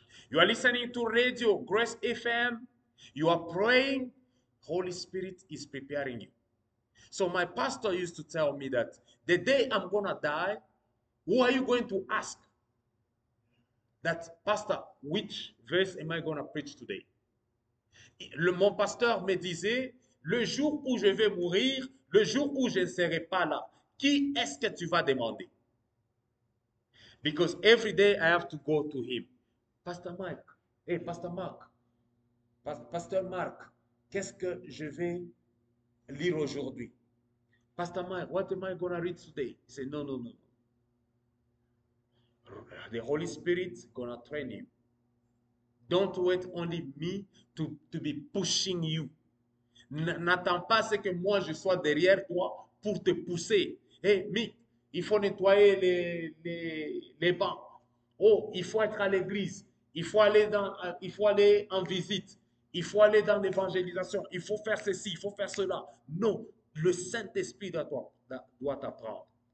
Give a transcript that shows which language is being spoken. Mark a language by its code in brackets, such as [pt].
[en] You are listening to radio, Grace FM, you are praying, Holy Spirit is preparing you. So my pastor used to tell me that the day I'm going to die, who are you going to ask? That, pastor, which verse am I going to preach today? [fr] Mon pasteur me disait, le jour où je vais mourir, le jour où je ne serai pas là, qui est-ce que tu vas demander? [en] Because every day I have to go to him. [fr] Pastor Mike, hey, Pastor Mark, Pastor Mark, qu'est-ce que je vais lire aujourd'hui? [en] Pastor Mike, what am I going to read today? He said, no, no, no. The Holy Spirit is going to train you. Don't wait only me to be pushing you. [fr] N'attends pas ce que moi je sois derrière toi pour te pousser. Hey, Mick, il faut nettoyer les bancs. Oh, il faut être à l'église. Il faut aller en visite. Il faut aller dans l'évangélisation. Il faut faire ceci, il faut faire cela. Non, le Saint-Esprit doit t'apprendre.